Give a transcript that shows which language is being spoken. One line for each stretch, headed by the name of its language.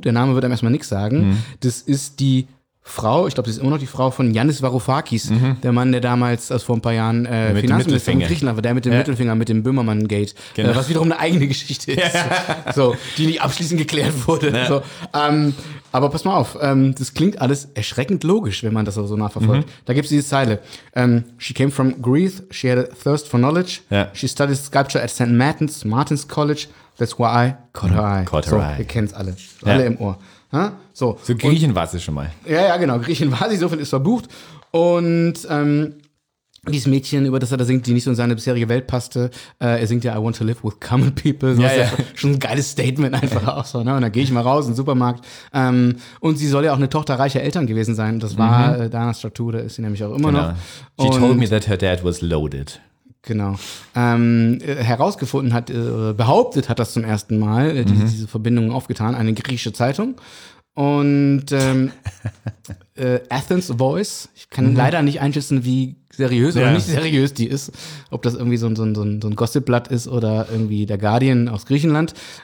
German: Der Name wird einem erstmal nichts sagen. Das ist die Frau, ich glaube, das ist immer noch die Frau von Yannis Varoufakis, der Mann, der damals, also vor ein paar Jahren, Finanzminister in Griechenland war, der mit dem Mittelfinger, mit dem Böhmermann-Gate, genau. Was wiederum eine eigene Geschichte ist, so, die nicht abschließend geklärt wurde. Ja. So. Aber pass mal auf, das klingt alles erschreckend logisch, wenn man das so nachverfolgt. Mhm. Da gibt es diese Zeile.
English: She came from Greece, she had a thirst for knowledge, she studied sculpture at St. Martin's College, that's why I caught her eye. Caught
German: so,
English: her eye.
German: Ihr kennt's alle, alle im Ohr. So Griechen und, war sie schon mal. Ja, genau, Griechen war sie, so viel ist verbucht. Und dieses Mädchen, über das er da singt, die nicht so in seine bisherige Welt passte, er singt ja
English: I want to live with common people.
German: So ist schon ein geiles Statement einfach auch so. Ne? Und dann gehe ich mal raus in den Supermarkt. Und sie soll ja auch eine Tochter reicher Eltern gewesen sein. Das war Dana Stratou, da ist sie nämlich auch immer noch.
English: She told me that her dad was loaded.
German: Genau. Herausgefunden hat, behauptet hat das zum ersten Mal, diese Verbindung aufgetan, eine griechische Zeitung. Und Athens Voice, ich kann leider nicht einschätzen, wie seriös oder nicht seriös die ist, ob das irgendwie so ein Gossipblatt ist oder irgendwie der Guardian aus Griechenland.